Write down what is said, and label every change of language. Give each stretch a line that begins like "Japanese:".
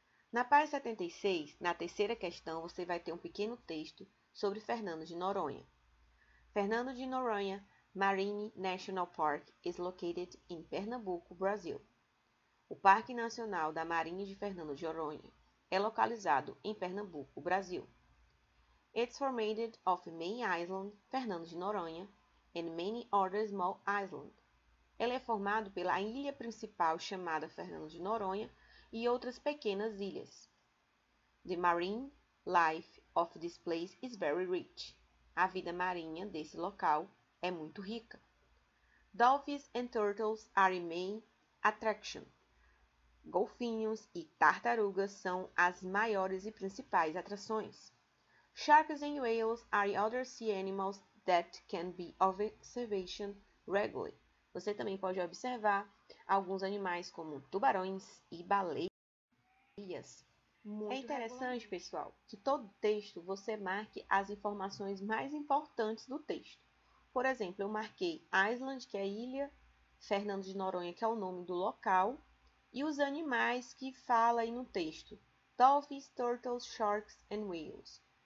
Portuguese: Na página 76, na terceira questão, você vai ter um pequeno texto sobre Fernando de Noronha.
English: Fernando de Noronha Marine National Park is located in Pernambuco, Brazil.
Portuguese: O Parque Nacional da Marinha de Fernando de Noronha é localizado em Pernambuco, Brasil.
English: It's formed of main island, Fernando de Noronha, and many other small islands.
Portuguese: Ele é formado pela ilha principal chamada Fernando de Noronha e outras pequenas ilhas.
English: The marine life of this place is very rich.
Portuguese: A vida marinha desse local é muito rica.
English: Dolphins and turtles are a main attraction.
Portuguese: Golfinhos e tartarugas são as maiores e principais atrações.
English: Sharks and whales are other sea animals that can be observation regularly.
Portuguese: Você também pode observar alguns animais como tubarões e baleias. É Muito interessante, regularmente. pessoal, que todo texto você marque as informações mais importantes do texto. Por exemplo, eu marquei Iceland, que é a ilha, Fernando de Noronha, que é o nome do local, e os animais que fala aí no texto:
English: Dolphins, turtles, sharks and whales.